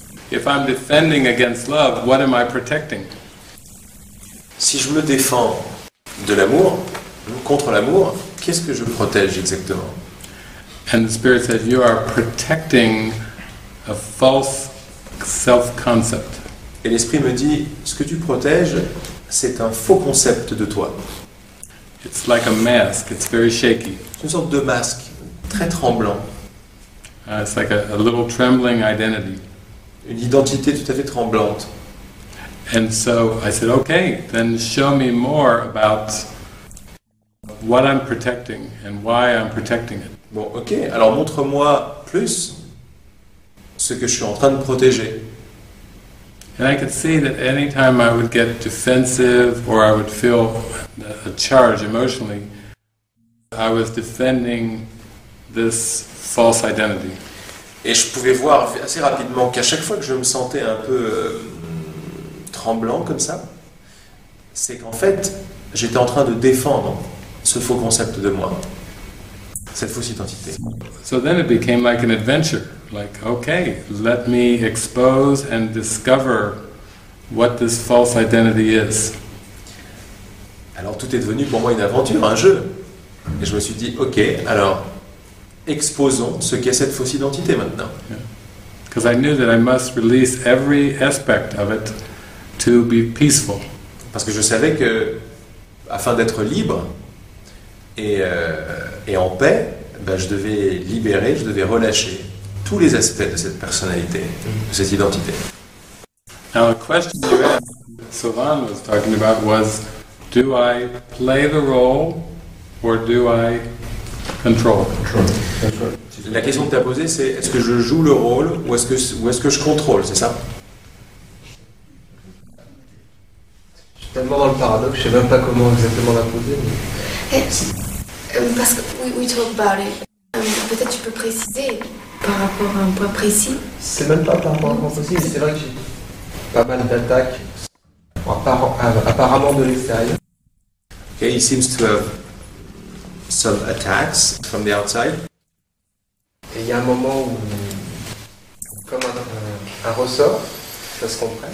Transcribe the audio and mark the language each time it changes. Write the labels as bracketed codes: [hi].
[en] If I'm defending against love, what am I protecting? [fr] Si je me défends de l'amour, contre l'amour, qu'est-ce que je protège exactement? [en] And the spirit said, you are protecting a false self-concept. [fr] Et l'esprit me dit, ce que tu protèges. C'est un faux concept de toi. [en] It's like a mask. It's very shaky. [fr] C'est une sorte de masque, très tremblant. [en] It's like a little trembling identity. [fr] Une identité tout à fait tremblante. [en] And so I said, okay, then show me more about what I'm protecting and why I'm protecting it. [fr] Bon, ok. Alors montre-moi plus ce que je suis en train de protéger. [en] And I could see that any time I would get defensive or I would feel a charge emotionally, I was defending this false identity. [fr] Et je pouvais voir assez rapidement qu'à chaque fois que je me sentais un peu tremblant comme ça, c'est qu'en fait, j'étais en train de défendre ce faux concept de moi, cette fausse identité. [en] So then it became like an adventure. Like, okay, let me expose and discover what this false identity is. [fr] Alors tout est devenu pour moi une aventure, un jeu. Et je me suis dit, ok, alors exposons ce qu'est cette fausse identité maintenant. [en] Because I knew that I must release every aspect of it to be peaceful. [fr] Parce que je savais que, afin d'être libre et en paix, ben, je devais libérer, je devais relâcher. Tous les aspects de cette personnalité, de cette identité. [en] Now, the question you asked, Sylvain was talking about, was, do I play the role or do I control? [fr] La question que tu as posée, c'est est-ce que je joue le rôle ou est-ce que je contrôle, c'est ça? Je suis tellement dans le paradoxe, je ne sais même pas comment exactement la poser. Mais... Parce que [en] we talk about it. [fr] Peut-être tu peux préciser. Par rapport à un point précis. C'est même pas par rapport à un point précis, c'est vrai que j'ai pas mal d'attaques apparemment de l'extérieur. Ok, [en] Okay, he seems to have some attacks from the outside. [fr] Et il y a un moment où, comme un ressort, ça se compresse.